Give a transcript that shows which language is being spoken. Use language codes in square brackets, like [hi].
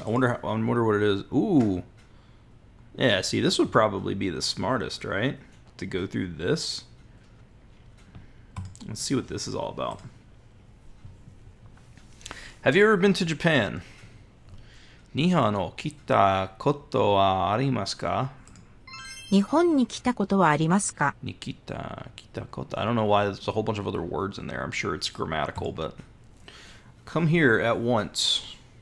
[en] I wonder what it is. Ooh. Yeah, see, this would probably be the smartest, right? To go through this. Let's see what this is all about. Have you ever been to Japan? [ja] Nihon o kita koto wa arimasu ka? 日本に来たことはありますか? Nikita, kita koto. [en] I don't know why there's a whole bunch of other words in there. I'm sure it's grammatical, but come here at once.